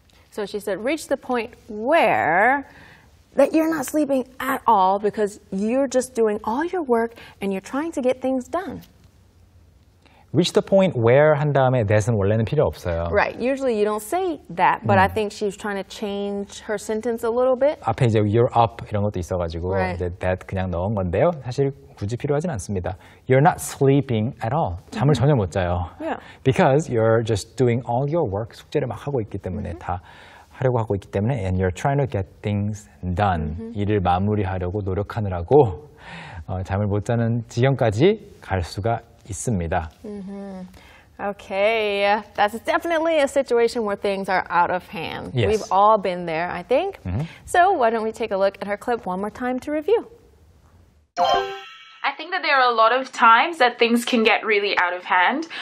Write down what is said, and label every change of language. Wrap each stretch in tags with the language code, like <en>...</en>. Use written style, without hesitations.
<en>So she said reach the point where that you're not sleeping at all because you're just doing all your work and you're trying to get things done. Reach the point where</en> <ko>한 다음에 that은 원래는 필요 없어요.</ko> <en>Right. Usually you don't say that, but I think she's trying to change her sentence a little bit.</en> <ko>앞에 이제 you're up 이런 것도 있어가지고</ko> <en>right.</en> <ko>이제 that 그냥 넣은 건데요. 사실 굳이 필요하진 않습니다.</ko> <en>You're not sleeping at all.</en> <ko>잠을 mm-hmm. 전혀 못 자요.</ko> <en>Yeah. Because you're just doing all your work.</en> <ko>숙제를 막 하고 있기 때문에</ko> <en>mm-hmm. 다 하려고 하고 있기 때문에 and you're trying to get things done. Mm-hmm.</en> <ko>일을 마무리하려고 노력하느라고 잠을 못 자는 지경까지 갈 수가 있습니다. Mm-hmm.</ko> <en>Okay, that's definitely a situation where things are out of hand. Yes. We've all been there, I think. Mm-hmm. So why don't we take a look at her clip one more time to review. I think that there are a lot of times that things can get really out of hand.</en>